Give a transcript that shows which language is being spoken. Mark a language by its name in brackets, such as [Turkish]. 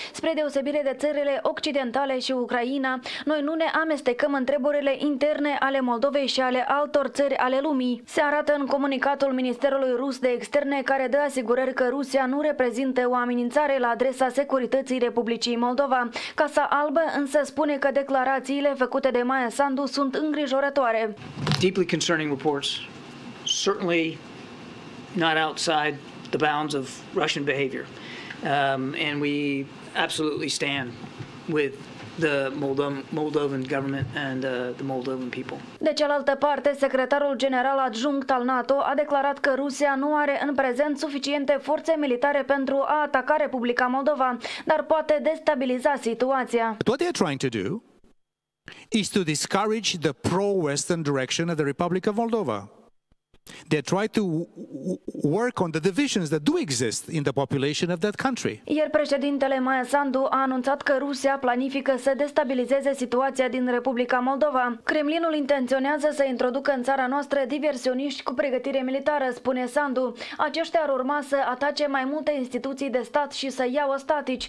[Romanian] Spre deosebire de țările occidentale și Ucraina, noi nu ne amestecăm în treburile interne ale Moldovei și ale altor țări ale lumii. Se arată în comunicatul Ministerului Rus de Externe, care dă asigurări că Rusia nu reprezintă o amenințare la adresa securității Republicii Moldova. Casa Albă însă spune că declarațiile făcute de Maia Sandu sunt îngrijorătoare. [English] Deeply concerning reports. Certainly not outside the bounds of Russian behavior. And we absolutely stand with the Moldovan government and the Moldovan people. [Romanian] De cealaltă parte, secretarul general adjunct al NATO a declarat că Rusia nu are în prezent suficiente forțe militare pentru a ataca Republica Moldova, dar poate destabiliza situația. [English] But what they are trying to do is to discourage the pro-Western direction of the Republic of Moldova. They try to work on the divisions that do exist in the population of that country. [Romanian] Iar președintele Maia Sandu a anunțat că Rusia planifică să destabilizeze situația din Republica Moldova. Kremlinul intenționează să introducă în țara noastră diversioniști cu pregătire militară, spune Sandu. Aceștia ar urma să atace mai multe instituții de stat și să iau ostatici.